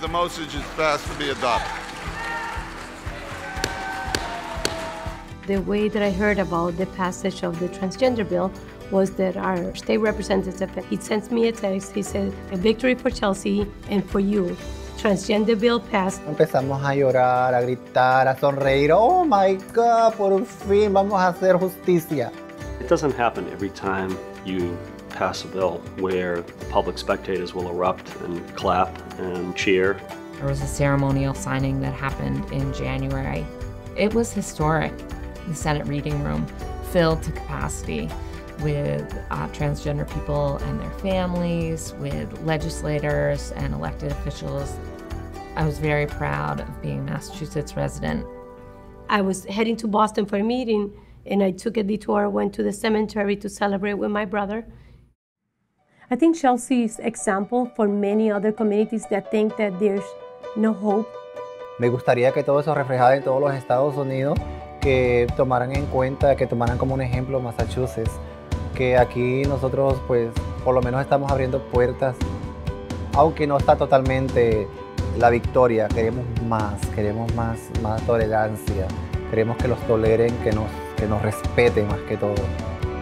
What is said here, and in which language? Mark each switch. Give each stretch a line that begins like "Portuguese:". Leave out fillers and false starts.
English: The motion is passed to be adopted. The way that I heard about the passage of the transgender bill was that our state representative, he sent me a text. He said, a victory for Chelsea and for you. Transgender bill passed.
Spanish: Empezamos a llorar, a gritar, a sonreír.
English: Oh my God,
Spanish: por fin vamos a hacer justicia.
English: It doesn't happen every time you pass a bill where the public spectators will erupt and clap and cheer. There was a ceremonial signing that happened in January. It was historic. The Senate reading room filled to capacity with transgender people and their families, with legislators and elected officials. I was very proud of being a Massachusetts resident. I was heading to Boston for a meeting and I took a detour, went to the cemetery to celebrate with my brother. I think Chelsea is an example for many other communities that think that there's no hope.
Spanish: Me gustaría que todo eso reflejara en todos los Estados Unidos, que tomaran en cuenta, que tomaran como un ejemplo Massachusetts. Que aquí nosotros, pues, por lo menos estamos abriendo puertas. Aunque no está totalmente la victoria, queremos más, más tolerancia. Queremos que los toleren, que nos respeten más que todo.